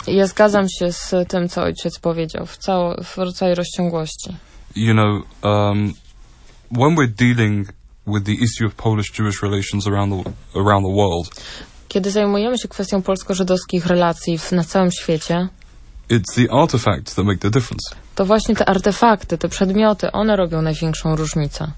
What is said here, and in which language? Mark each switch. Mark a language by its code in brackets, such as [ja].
[pl] Ja zgadzam się z tym, co ojciec powiedział w całej rozciągłości. [en] You know, when we're dealing with the issue of Polish-Jewish relations around the world, [pl] kiedy zajmujemy się kwestią polsko-żydowskich relacji na całym świecie, [en] it's the artifacts that make the difference. [pl] To właśnie te artefakty, te przedmioty, one robią największą różnicę.